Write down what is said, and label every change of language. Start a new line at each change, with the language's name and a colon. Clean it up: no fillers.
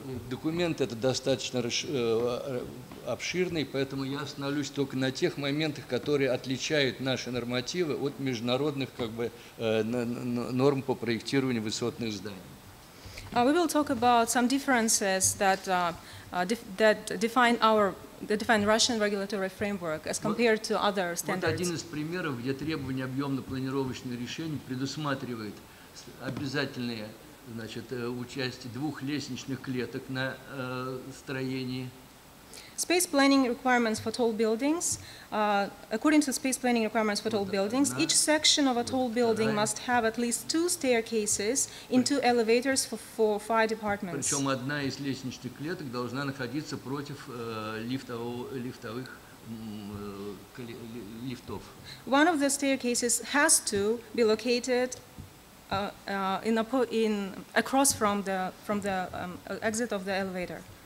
Russian: Документ этот достаточно обширный, поэтому я остановлюсь только на тех моментах, которые отличают наши нормативы от международных норм по проектированию высотных зданий.
English: We will talk about some differences that define Russian regulatory framework as compared to other standards.
Russian: Вот один из примеров, где требования объемно-планировочных решений предусматривают обязательные, значит, участие двух лестничных клеток на строении.
English: Space planning requirements for tall buildings. According to space planning requirements for tall buildings, each section of a tall building must have at least two staircases and two elevators for fire departments.
Russian: Причем одна из лестничных клеток должна находиться против лифтов.
English: One of the staircases has to be located across from the exit of the elevator.